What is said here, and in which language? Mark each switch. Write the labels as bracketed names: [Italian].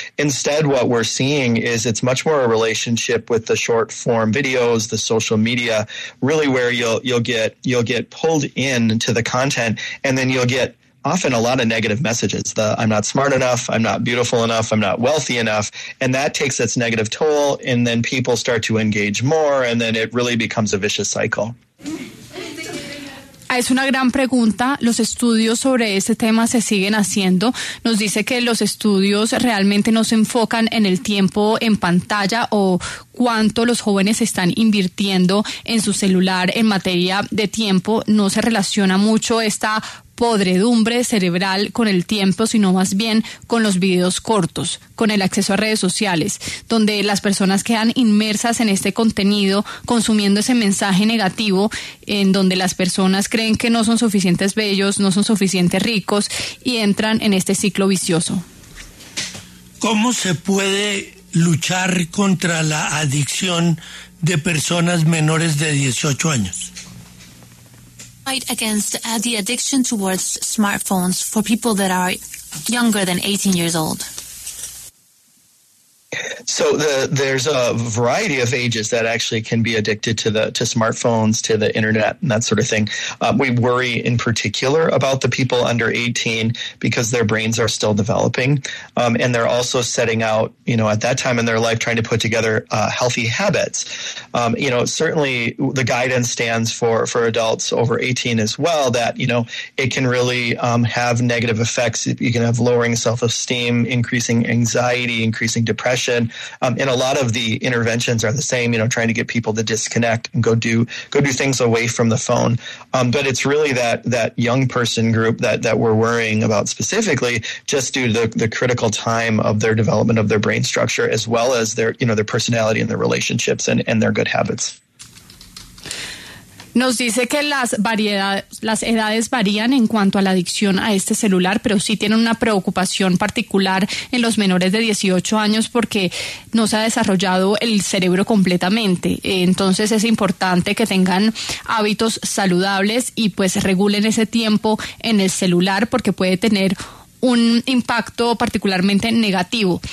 [English] Instead, what we're seeing is it's much more a relationship with the short form videos, the social media, really where you'll get pulled in to the content. And then you'll get often a lot of negative messages. The I'm not smart enough, I'm not beautiful enough, I'm not wealthy enough. And that takes its negative toll. And then people start to engage more. And then it really becomes a vicious cycle. [Spanish] Es una gran pregunta. Los estudios sobre este tema se siguen haciendo. Nos dice que los estudios realmente no se enfocan en el tiempo en pantalla o cuánto los jóvenes están invirtiendo en su celular en materia de tiempo. No se relaciona mucho esta podredumbre cerebral con el tiempo, sino más bien con los videos cortos, con el acceso a redes sociales, donde las personas quedan inmersas en este contenido, consumiendo ese mensaje negativo, en donde las personas creen que no son suficientes bellos, no son suficientes ricos, y entran en este ciclo vicioso. ¿Cómo se puede luchar contra la adicción de personas menores de 18 años? [English] Fight against the addiction towards smartphones for people that are younger than 18 years old. So there's a variety of ages that actually can be addicted to smartphones, to the internet, and that sort of thing. We worry in particular about the people under 18 because their brains are still developing. And they're also setting out, you know, at that time in their life, trying to put together healthy habits. You know, certainly the guidance stands for adults over 18 as well, that, you know, it can really have negative effects. You can have lowering self-esteem, increasing anxiety, increasing depression. And a lot of the interventions are the same, you know, trying to get people to disconnect and go do things away from the phone. But it's really that young person group that we're worrying about specifically, just due to the critical time of their development of their brain structure, as well as their, you know, their personality and their relationships and their good habits. [Spanish] Nos dice que las edades varían en cuanto a la adicción a este celular, pero sí tienen una preocupación particular en los menores de 18 años porque no se ha desarrollado el cerebro completamente. Entonces es importante que tengan hábitos saludables y pues regulen ese tiempo en el celular porque puede tener un impacto particularmente negativo.